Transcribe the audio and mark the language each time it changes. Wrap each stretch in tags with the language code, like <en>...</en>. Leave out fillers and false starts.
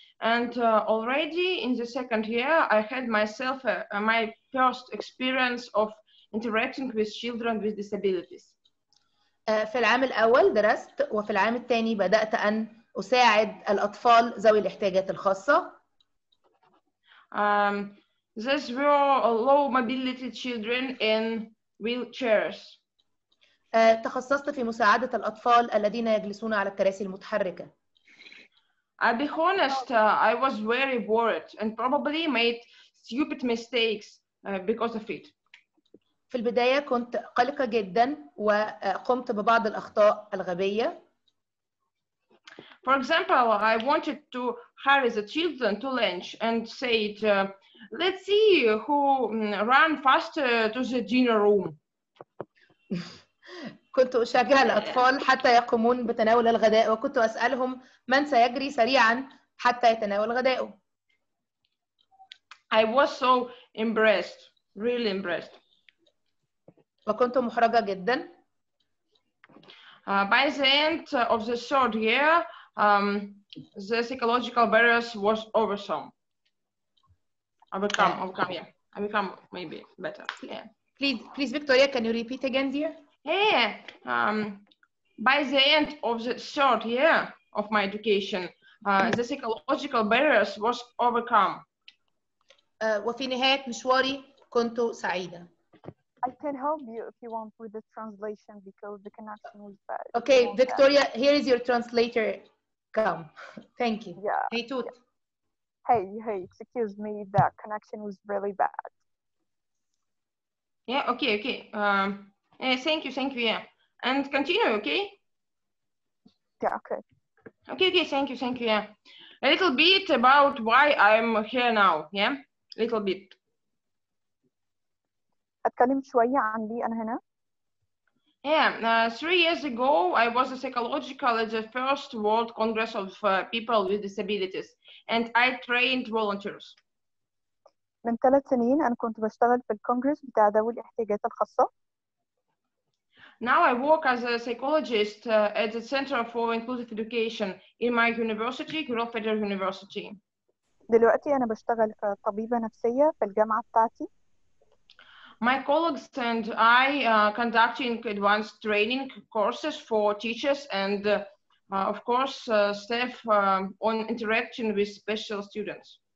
<en>And already in the second year, I had myself my first experience of interacting with children with disabilities.</en> <ar>في العام الأول درست وفي العام الثاني بدأت أن أساعد الأطفال ذوي الاحتياجات الخاصة.</ar> <en>These were low mobility children in wheelchairs.</en> <ar>تخصصت في مساعدة الأطفال الذين يجلسون على الكراسي المتحركة.</ar> <en>I'll be honest, I was very worried and probably made stupid mistakes because of it.</en> <ar>في البداية كنت قلقة جدا وقمت ببعض الأخطاء الغبية.</ar> <en>For example, I wanted to hurry the children to lunch and say, let's see who ran faster to the dinner room.</en> <ar>كنت أشجع الأطفال حتى يقومون بتناول الغداء وكنت أسألهم من سيجري سريعا حتى يتناول غداءه.</ar> <en>I was so impressed, really impressed.</en> <ar>فكنت محرجة جدا.</ar> <en>By the end of the third year, the psychological barriers was overcome. Overcome, yeah. I become maybe better. Yeah. Please, Victoria, can you repeat again, dear? Yeah. By the end of the third year of my education, the psychological barriers was overcome.</en> <ar>وفي نهاية مشواري كنت سعيدة.</ar> <en>I can help you if you want with the translation because the connection was bad. Okay, Victoria, here is your translator. Come. Thank you. Yeah. Hey, Tut. Hey, excuse me, the connection was really bad. Yeah, okay. Thank you, yeah. And continue, okay? Yeah, okay. Okay, thank you, yeah. A little bit about why I'm here now, yeah? A little bit.</en> <ar>أتكلم شوية عن لي أنا هنا.</ar> <en>Yeah, 3 years ago, I was a psychological at the first World Congress of People with Disabilities, and I trained volunteers.</en> <ar>من 3 سنين أنا كنت بشتغل في الكونغرس بتاع ذوي الاحتياجات الخاصة.</ar> <en>Now I work as a psychologist at the Center for Inclusive Education in my university, Ural Federal University.</en> <ar>دلوقتي أنا بشتغل كطبيبة نفسية في الجامعة بتاعتي.</ar> <en>My colleagues and I are conducting advanced training courses for teachers and, of course, staff on interaction with special students.</en>